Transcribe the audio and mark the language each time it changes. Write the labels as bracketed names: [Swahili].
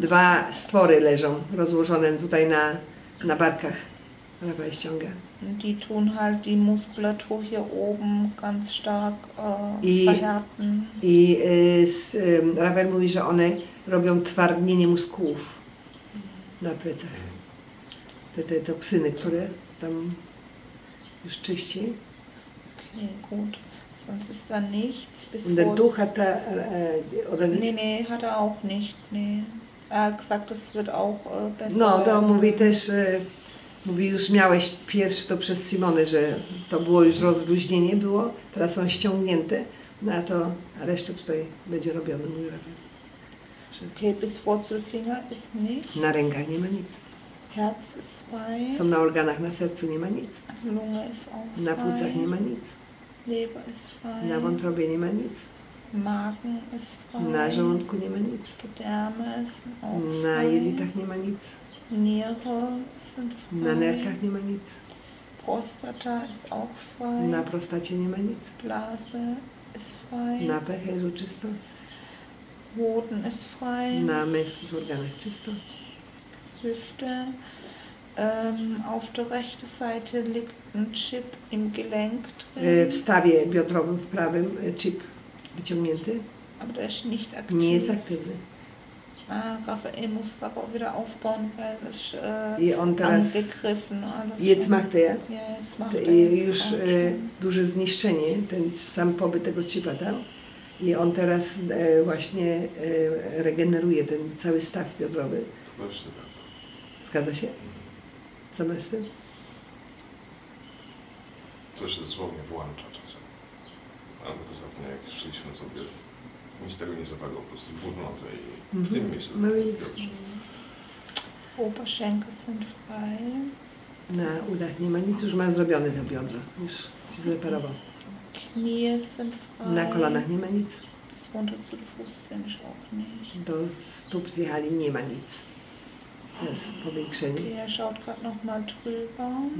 [Polish] Dwa stwory leżą rozłożone tutaj na barkach. Lewa i ściąga. [German] Die tun halt die Muskulatur hier oben ganz stark verhärten. [Polish] I Rafael mówi, że one robią twardnienie muskułów na plecach. Te toksyny, które tam już czyści. [German] Okay, gut. Sonst ist da nichts. Bis und der Duch hat er, oder nicht? Nee, hat er auch nicht, nee. Er hat gesagt, das wird auch besser. [Polish] No, da mówi też. Mówi, już miałeś pierwszy to przez Simony, że to było już rozluźnienie było, teraz są ściągnięte, no a to resztę tutaj będzie robione, mój Rafał. [German] Okay, bis Wurzelfinger ist nichts. [Polish] Na rękach nie ma nic. [German] Herz ist frei. [Polish] Są na organach, na sercu nie ma nic. [German] Lunge ist auch frei. [Polish] Na płucach nie ma nic. [German] Leber ist frei. [Polish] Na wątrobie nie ma nic. [German] Magen ist frei. [Polish] Na żołądku nie ma nic. [German] Gedärme ist auch frei. [Polish] Na jelitach nie ma nic. [German] Niere sind frei. [Polish] Na nerkach nie ma nic. [German] Prostata ist auch frei. [Polish] Na prostacie nie ma nic. [German] Blase ist frei. [Polish] Na pechę jest czysto. [German] Hoden ist frei. [Polish] Na męskich organach czysto. [German] Hüfte. Auf der rechten Seite liegt ein Chip im Gelenk drin. [Polish] W stawie biodrowym, w prawym, chip wyciągnięty. [German] Aber der ist nicht aktiv. [Polish] Nie jest aktywny. [German] muss es aber auch wieder aufbauen, weil es angegriffen alles. Jetzt macht er? Ja, jetzt macht er. [Polish] Już duże zniszczenie, ten sam pobyt tego chipa tam. I on teraz właśnie regeneruje ten cały staw biodrowy. Właśnie tak. Zgadza się? Co masz z tym? To się dosłownie włącza czasem. Albo to ostatnio jak szliśmy sobie, nic tego nie zapadło, po prostu burnące i w tym miejscu. No i... [German] Oberschenkel sind frei. [Polish] Na udach nie ma nic, już ma zrobione te biodra. Już się zreparował. [German] Knie sind frei. [Polish] Na kolanach nie ma nic. [German] Es runter zu den Füßen ist auch nichts. [Polish] Do stóp zjechali, nie ma nic. Jest w powiększeniu. [German] Okay, er schaut gerade noch mal drüber.